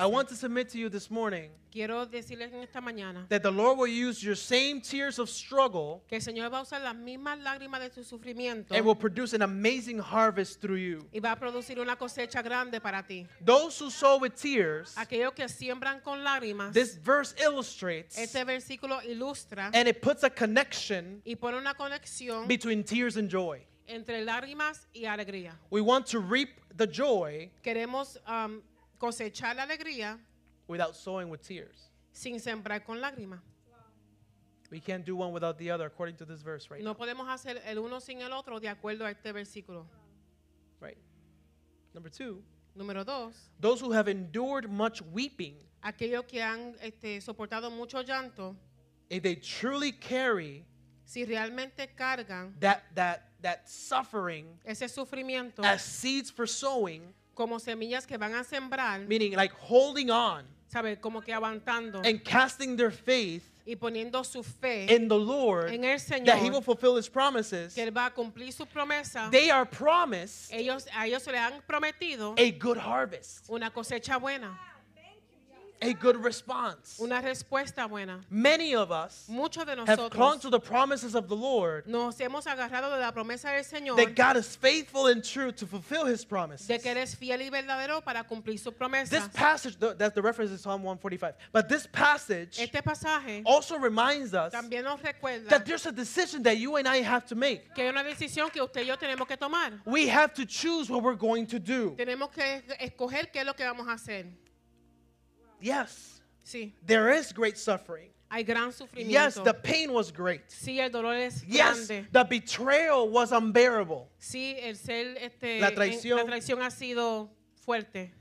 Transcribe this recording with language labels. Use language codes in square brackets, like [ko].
[en] I want to submit to you this morning. [es] Quiero decirles en esta mañana [en] that the Lord will use your same tears of struggle. [es] Que el Señor va a usar las mismas lágrimas de su sufrimiento. [en] And will produce an amazing harvest through you. [es] Y va a producir una cosecha grande para ti. [en] Those who sow with tears. [es] Aquellos que siembran con lágrimas. [en] This verse illustrates. [es] Este versículo ilustra. [en] And it puts a connection. [es] Y pone una conexión [en] between tears and joy. [es] Entre lágrimas y alegría. [en] We want to reap the joy. [es] Queremos cosechar la alegría. [en] Without sowing with tears. [es] Sin sembrar con lágrimas. [en] We can't do one without the other, according to this verse right [es] no No podemos hacer el uno sin el otro, de acuerdo a este versículo. [en] Right. Number two. [es] Número dos. [en] Those who have endured much weeping. [es] Aquellos que han soportado mucho llanto. [en] If they truly carry. [es] Si realmente cargan. [en] That suffering, [es] ese sufrimiento, [en] as seeds for sowing, [es] como semillas que van a sembrar, [en] meaning like holding on, [es] sabe, como que aguantando, [en] and casting their faith, [es] y poniendo su fe, [en] in the Lord, [es] en el Señor, [en] that He will fulfill His promises, [es] que él va a cumplir su promesa, [en] they are promised, [es] ellos a ellos se le han prometido, [en] a good harvest, [es] una cosecha buena. [en] A good response. [es] Una respuesta buena. [en] Many of us [es] mucho de nosotros [en] have clung to the promises of the Lord. [es] Nos hemos agarrado de la promesa del Señor. [en] That God is faithful and true to fulfill His promises. [es] De que eres fiel y verdadero para cumplir sus promesas. [en] This passage, that's the reference is Psalm 145. But this passage [es] este pasaje [en] also reminds us [es] también nos recuerda [en] that there's a decision that you and I have to make. [es] Que hay una decisión que usted y yo tenemos que tomar. [en] We have to choose what we're going to do. [es] Tenemos que escoger qué es lo que vamos a hacer. [en] Yes. [es] Sí. [en] There is great suffering. [es] Hay gran sufrimiento. [en] Yes, the pain was great. [es] Sí, el dolor es grande. [en] Yes, the betrayal was unbearable. [es] Sí, el ser la traición ha sido fuerte.